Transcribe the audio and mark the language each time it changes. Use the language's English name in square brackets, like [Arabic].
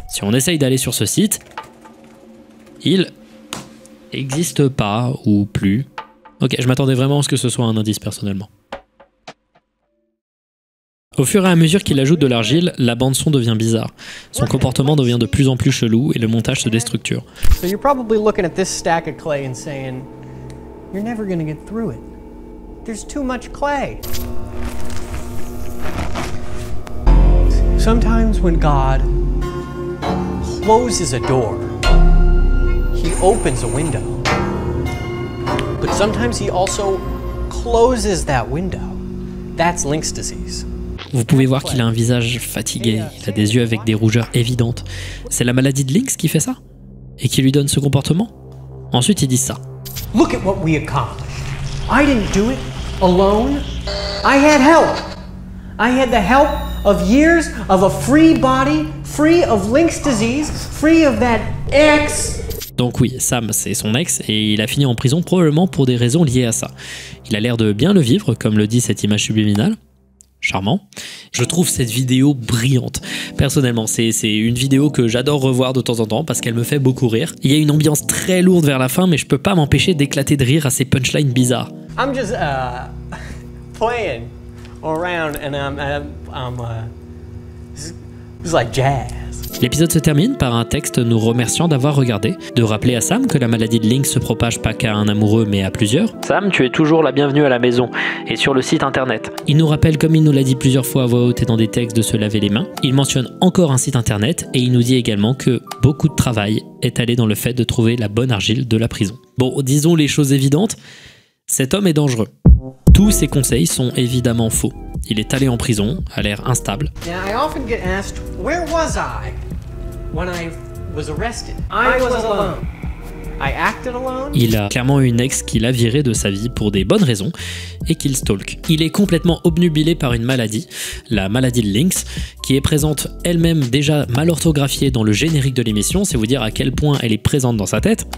[French] Si on essaye d'aller sur ce site, il n'existe pas ou plus. Ok, je m'attendais vraiment à ce que ce soit un indice personnellement. Au fur et à mesure qu'il ajoute de l'argile, la bande son devient bizarre. Son comportement devient de plus en plus chelou et le montage se déstructure. [English] So you're probably looking at this stack of clay and saying, you're never gonna get through it. There's too much clay. Sometimes when God closes a door, he opens a window. But sometimes he also closes that window. That's Link's disease. [French] Vous pouvez voir qu'il a un visage fatigué, il a des yeux avec des rougeurs évidentes. C'est la maladie de Link qui fait ça? Et qui lui donne ce comportement? Ensuite, il dit ça. [English] Look at what we accomplished. I didn't do it alone. I had help. I had the help of years of a free body, free of Link's disease, free of that ex. [French] Donc oui, Sam, c'est son ex, et il a fini en prison probablement pour des raisons liées à ça. Il a l'air de bien le vivre, comme le dit cette image subliminale. Charmant. Je trouve cette vidéo brillante. Personnellement, c'est une vidéo que j'adore revoir de temps en temps parce qu'elle me fait beaucoup rire. Il y a une ambiance très lourde vers la fin, mais je peux pas m'empêcher d'éclater de rire à ces punchlines bizarres. [English] I'm just playing around and it's like jazz. [French] L'épisode se termine par un texte nous remerciant d'avoir regardé, de rappeler à Sam que la maladie de Link se propage pas qu'à un amoureux mais à plusieurs. Sam, tu es toujours la bienvenue à la maison et sur le site internet. Il nous rappelle, comme il nous l'a dit plusieurs fois à voix haute et dans des textes, de se laver les mains. Il mentionne encore un site internet et il nous dit également que beaucoup de travail est allé dans le fait de trouver la bonne argile de la prison. Bon, disons les choses évidentes, cet homme est dangereux. Tous ses conseils sont évidemment faux. Il est allé en prison, a l'air instable. [English] Now, I often get asked, where was I when I was arrested? I was alone. I acted alone. [French] Il a clairement une ex qui l'a viré de sa vie pour des bonnes raisons et qu'il stalk. Il est complètement obnubilé par une maladie, la maladie de Lynx, qui est présente elle-même déjà mal orthographiée dans le générique de l'émission, c'est vous dire à quel point elle est présente dans sa tête.